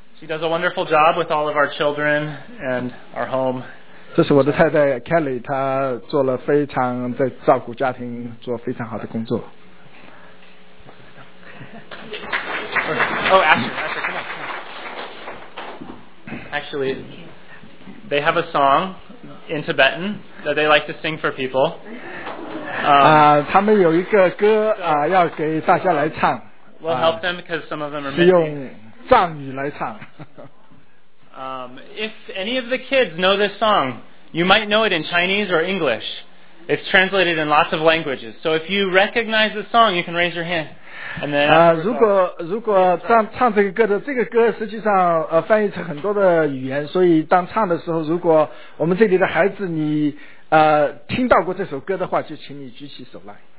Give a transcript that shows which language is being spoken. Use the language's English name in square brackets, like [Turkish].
[English] She does a wonderful job with all of our children and our home. [Chinese] 这是我的太太 Kelly， 她做了非常在照顾家庭，做非常好的工作。 [English] Oh, Asher, come on. Actually, they have a song in Tibetan that they like to sing for people. [Chinese] 他们有一个歌要给大家来唱。 [English] We'll help them because some of them are missing. [Chinese] 是用藏语来唱。 [English] If any of the kids know this song, you might know it in Chinese or English. It's translated in lots of languages. So if you recognize the song, you can raise your hand. And then [Chinese] 如果 唱这个歌的，这个歌实际上翻译成很多的语言，所以当唱的时候，如果我们这里的孩子你听到过这首歌的话，就请你举起手来。